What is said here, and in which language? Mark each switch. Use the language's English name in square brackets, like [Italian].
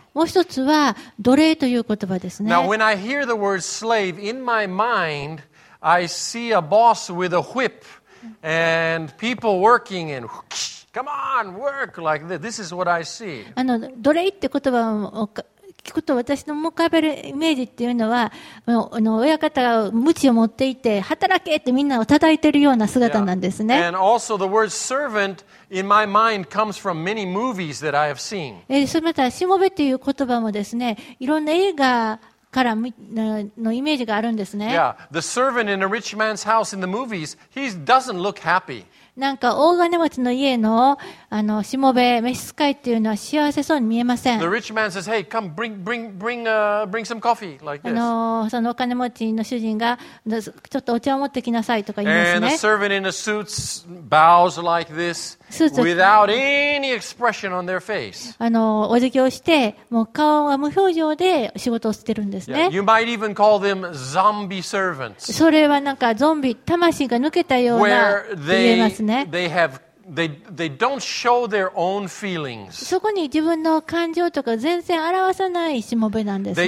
[Japanese] もう一つは奴隷という言葉ですね。 [English] Now, when I hear the word slave, in my mind, I see a boss with a whip and people working and come on, work like this. This is what I see. [Japanese] 奴隷って言葉を聞くと、私の思い浮かべるイメージっていうのは、親方が鞭を持っていて働けってみんなを叩いてるような姿なんですね。 [English] And also the word servant in my mind comes from many movies that I have seen. [Japanese] またしもべっていう言葉もですね、いろんな映画からのイメージがあるんですね。 [English] Yeah, the servant in a rich man's house in the movies, he doesn't look happy. [Japanese] なんか大金持ちの家の、しもべ、召使いっていうのは幸せそうに見えません。 [English] The rich man says, hey, come bring some coffee like this. [Japanese] そのお金持ちの主人が、ちょっとお茶を持ってきなさいとか言いますね。 [English] And the servant in the suits bows like this without any expression on their face. [Japanese] お辞儀をして、もう顔は無表情で仕事をしてるんですね。 [English] Yeah. You might even call them zombie servants. [Japanese] それはなんかゾンビ、魂が抜けたような言えます。 [English] They don't show their own feelings. [Japanese] そこに自分の感情とか全然表さないしもべなんですね。